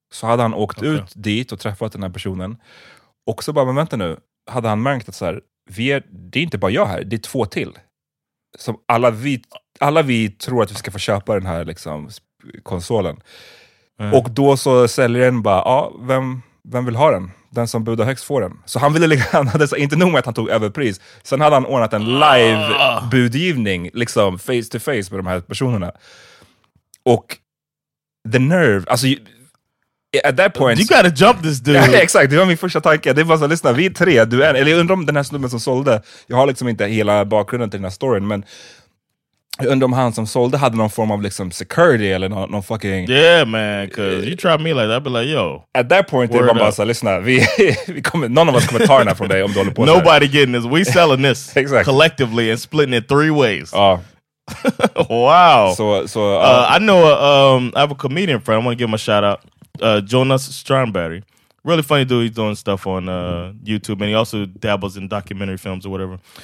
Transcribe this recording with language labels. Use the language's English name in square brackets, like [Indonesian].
[Swedish] Så hade han åkt ut dit och träffat den här personen, och så bara, men vänta nu, hade han märkt att så här, det är inte bara jag här, det är två till. Som alla vi tror att vi ska få köpa den här liksom konsolen. Mm. Och då så säljer den bara, ja, vem vill ha den? Den som budar högst får den. Så han ville lägga, inte nog med att han tog överpris. Sen hade han ordnat en live budgivning, liksom [English] face to face [Swedish] med de här personerna. [English] Och the nerve, alltså at that point, you gotta jump this dude. [Swedish] Ja, exakt, det var min första tanke. Det var så, lyssna, vi är tre, du är en. Eller jag undrar om den här snubben som sålde, jag har liksom inte hela bakgrunden till den här storyn, men jag undrar om han som sålde hade någon form av liksom security eller någon fucking... [English] Yeah, man, because you try me like that, I'd be like, yo. At that point, [Swedish] det var bara så, lyssna, vi kommer, [English] none of us [Swedish] kommer ta den här från dig om du håller på. [English] Nobody getting this. We selling this exactly. Collectively and splitting it three ways. Wow. So I know, I have a comedian friend. I want to give him a shout out. Jonas Strandberry. Really funny dude. He's doing stuff on YouTube, and he also dabbles in documentary films or whatever.